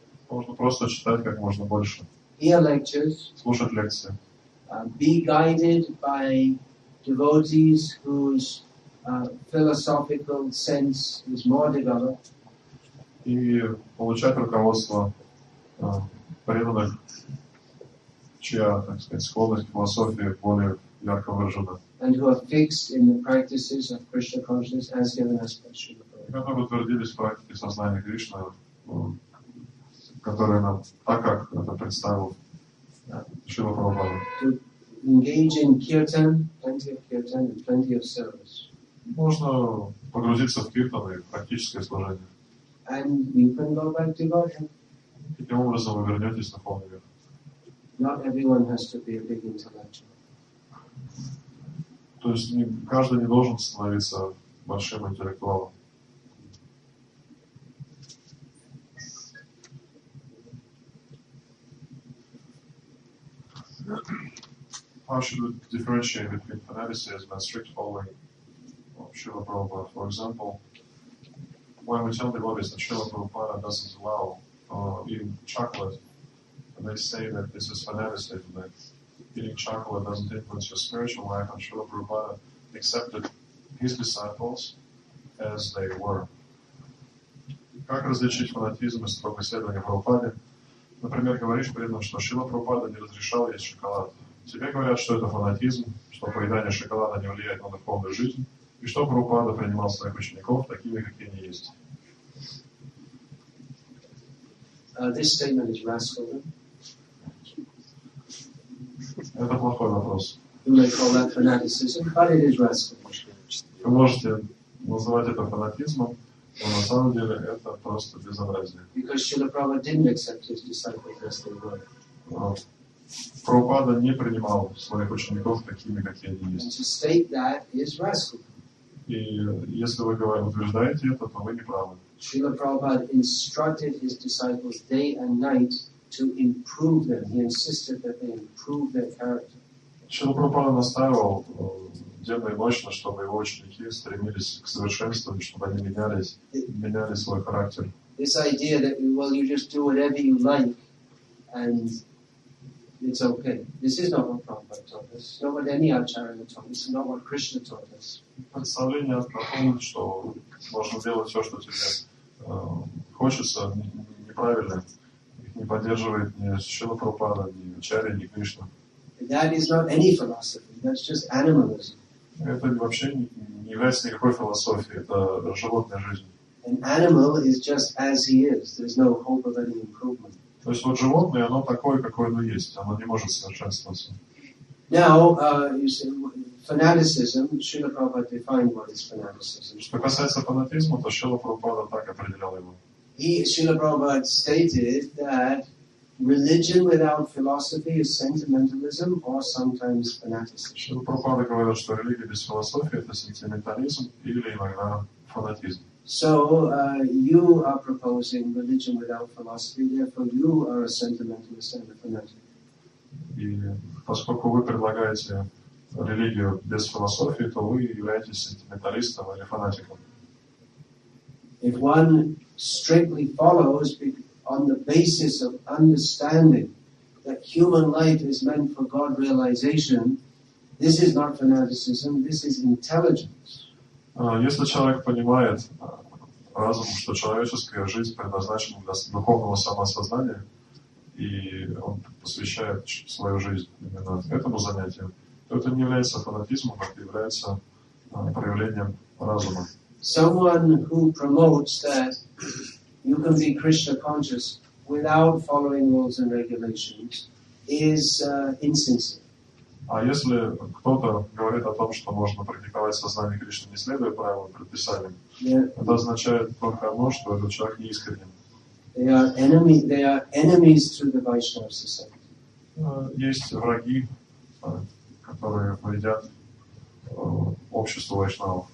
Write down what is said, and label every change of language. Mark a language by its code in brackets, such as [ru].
[ru] Можно просто читать как можно больше. [en] Hear lectures. [ru] Слушать лекции. [en] Be guided by devotees whose philosophical sense is more developed. [ru] И получать руководство преданных, чья, так сказать, склонность к философии более ярко выражена. [en] And who are fixed in the practices of Krishna consciousness as given us by Srila Prabhupada. [ru] Как бы утвердились в практике сознания Кришны, которые нам так, как это представил Шрила Прабхупада. [en] To engage in kirtan, and plenty of service. [ru] Можно погрузиться в киртан и практическое служение. [en] And you can go back to Godhead. [ru] Таким образом, вы вернетесь на полный мир. [en] Not everyone has to be a big intellectual. [ru] То есть не, каждый не должен становиться большим интеллектуалом. [en] How should we differentiate between fanaticism and strict following? Srila Prabhupada, for example, when we tell devotees that Srila Prabhupada doesn't allow eating chocolate, and they say that this is fanaticism, that eating chocolate doesn't influence your spiritual life, and Srila Prabhupada accepted his disciples as they were. [ru] Как различить фанатизм и строгое следование Прабхупаде? Например, говоришь при этом, что Шрила Прабхупада не разрешал есть шоколад. Тебе говорят, что это фанатизм, что поедание шоколада не влияет на духовную жизнь. И что Прабхупада принимал своих учеников такими, какие они есть? [en] This statement is rascal. [ru] Это плохой вопрос. [en] You may call that fanaticism, but it is rascal. [ru] Вы можете называть это фанатизмом, но на самом деле это просто безобразие. [en] Because Srila Prabhupada didn't accept his disciples as they were. [ru] Прабхупада не принимал своих учеников такими, какие они есть. [en] And to state that is rascal. [ru] И если вы говорите, утверждаете это, то вы не правы. [en] Srila Prabhupada instructed his disciples day and night to improve them. He insisted that they improve their character. [ru] Srila Prabhupada настаивал день и ночь, чтобы его ученики стремились к совершенствованию, чтобы они меняли свой характер. [en] This idea that, well, you just do whatever you like and it's okay. This is not what Prabhupada taught us. Not what any acharya taught us. Not what Krishna taught us. [ru] Представление о том, что можно делать все, что тебе хочется, неправильно. Их не поддерживает ни Шрила Прабхупада, ни Ачарья, ни Кришна. [en] That is not any philosophy. That's just animalism. [ru] Это вообще не является никакой философией. Это животная жизнь. [en] An animal is just as he is. There's no hope of any improvement. [ru] То есть вот животное, оно такое, какое оно есть. Оно не может совершенствоваться. [en] Now, you say, fanaticism, Srila Prabhupada defined what is fanaticism. [ru] Что касается фанатизма, то Шрила Прабхупада так определял его. [en] Srila Prabhupada stated that religion without philosophy is sentimentalism or sometimes fanaticism. [ru] Шрила Прабхупада говорил, что религия без философии — это сентиментализм или иногда фанатизм. [en] So you are proposing religion without philosophy, therefore you are a sentimentalist and a fanatic. [ru] И поскольку вы предлагаете религию без философии, то вы являетесь сентименталистом или фанатиком. [en] If one strictly follows on the basis of understanding that human life is meant for God realization, this is not fanaticism, this is intelligence. [ru] Если человек понимает разум, что человеческая жизнь предназначена для духовного самосознания, и он посвящает свою жизнь именно этому занятию, то это не является фанатизмом, это является проявлением разума. [en] Someone who promotes that you can be Krishna conscious without following rules and regulations is insincere. [ru] А если кто-то говорит о том, что можно практиковать сознание Кришны, не следуя правилам и предписаниям, это означает только одно, что этот человек не искренен. [en] They are enemies to the Vaishnava society. [ru] Есть враги, которые вредят обществу Вайшнава.